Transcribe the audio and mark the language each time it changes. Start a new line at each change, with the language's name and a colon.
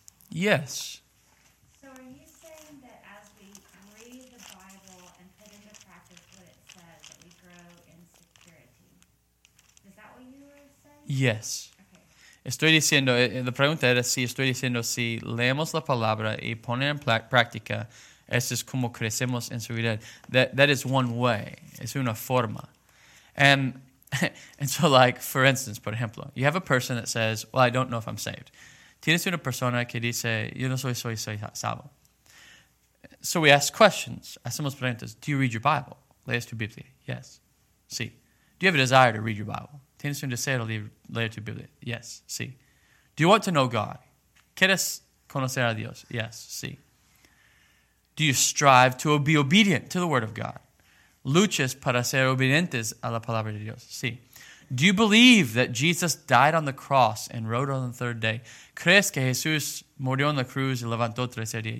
English: Yes. So are you saying that as we read the Bible and put into practice what it says, that we grow in security? Is that what you were saying? Yes.
Spanish: Estoy diciendo, la pregunta era si estoy diciendo si leemos la palabra y ponemos en práctica, eso es como crecemos en seguridad.
English: That is one way.
Spanish: Es una forma.
English: And so like, for instance,
Spanish: por ejemplo,
English: you have a person that says, well, I don't know if I'm saved.
Spanish: Tienes una persona que dice, yo no soy salvo.
English: So we ask questions.
Spanish: Hacemos preguntas.
English: Do you read your Bible?
Spanish: ¿Lees tu Biblia? Yes. Sí.
English: Do you have a desire to read your Bible?
Spanish: ¿Tienes un deseo de leer tu Biblia? Yes, sí.
English: Do you want to know God?
Spanish: ¿Quieres conocer a Dios?
English: Yes, sí. Do you strive to be obedient to the Word of God?
Spanish: ¿Luchas para ser obedientes a la Palabra de Dios? Sí.
English: Do you believe that Jesus died on the cross and rose on the third day?
Spanish: ¿Crees que Jesús murió en la cruz y levantó tercer día?